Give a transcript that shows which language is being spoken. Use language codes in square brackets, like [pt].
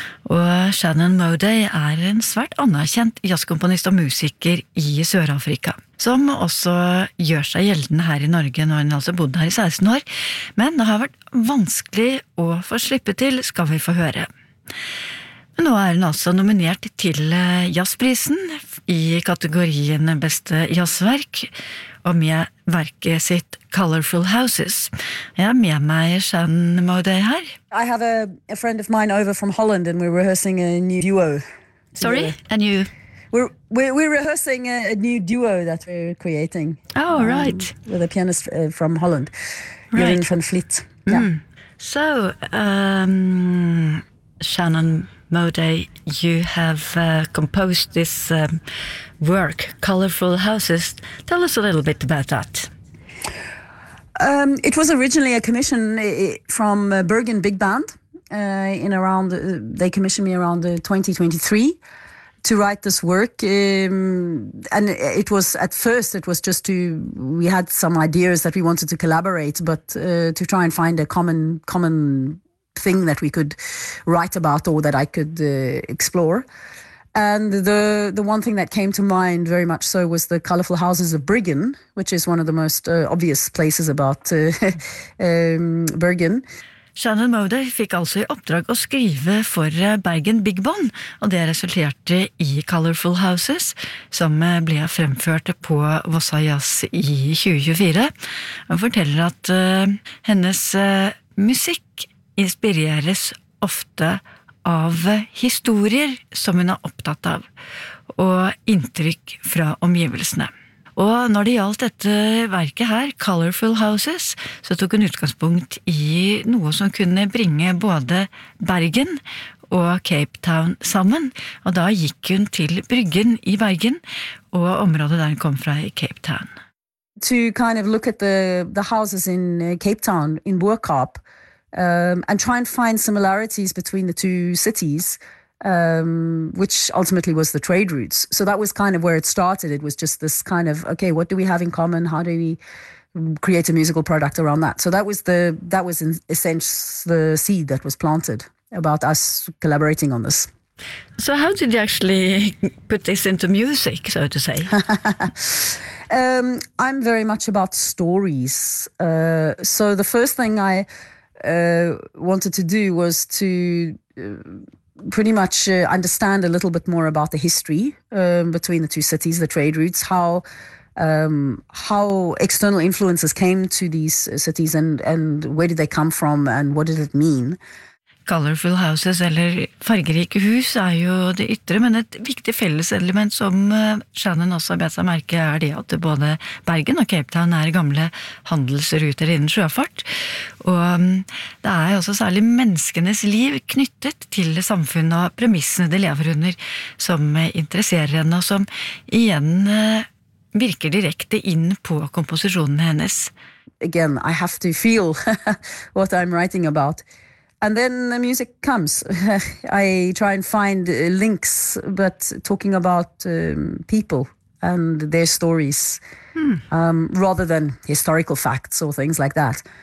[no] og Shannon Modi en svært anerkjent jazzkomponist og musiker I Sør-Afrika som også gjør seg gjeldende her I Norge når hun altså bodde her I 16 år men det har vært vanskelig å få slippe til, skal vi få høre. Men nå hun altså nominert til jazzprisen I kategorien beste jazzverk, og med verket sitt Colorful Houses. Jeg med meg Shannon Modi her. [en] I have a friend of mine over from Holland, and we're rehearsing a new duo. Sorry, a new... We're rehearsing a new duo that we're creating. Oh, right. With a pianist from Holland, Jeroen right. van Vliet. Yeah. Mm. So, Shannon Modi, you have composed this work, Colorful Houses. Tell us a little bit about that. It was originally a commission from Bergen Big Band. They commissioned me around 2023. To write this work, and it was at first it was just to we had some ideas that we wanted to collaborate, but to try and find a common thing that we could write about or that I could explore. And the one thing that came to mind very much so was the colorful houses of Bergen, which is one of the most obvious places about Bergen. [no] Shannon Mode fikk altså I oppdrag å skrive for Bergen Big Band, og det resulterte I Colorful Houses, som ble fremført på Vossa Jazz I 2024. Hun forteller at hennes musikk inspireres ofte av historier som hun opptatt av, og inntrykk fra omgivelsene. Og når det gjaldt dette verket her, Colorful Houses, så tok hun utgangspunkt I noe som kunne bringe både Bergen og Cape Town sammen. Og da gikk hun til bryggen I Bergen, og området der hun kom fra I Cape Town. [en] To kind of look at the houses in Cape Town, in Burkop, and try and find similarities between the two cities, which ultimately was the trade routes. So that was kind of where it started. It was just this kind of, okay, what do we have in common? How do we create a musical product around that? So that was in a sense the seed that was planted about us collaborating on this. So how did you actually put this into music, so to say? I'm very much about stories. So the first thing I wanted to do was to... pretty much understand a little bit more about the history between the two cities, the trade routes, how external influences came to these cities and where did they come from and what did it mean. [no] Colorful houses, eller fargerike hus, jo det yttre, men et viktig felleselement som Shannon også har bedt seg merke det at både Bergen og Cape Town gamle handelsruter innen sjøfart. Og det også særlig menneskenes liv knyttet til samfunnet og premissene de lever under som interesserer henne, og som igjen virker direkte inn på komposisjonen hennes. [en] Again, I have to feel what I'm writing about. And then the music comes. I try and find links, but talking about people and their stories rather than historical facts or things like that.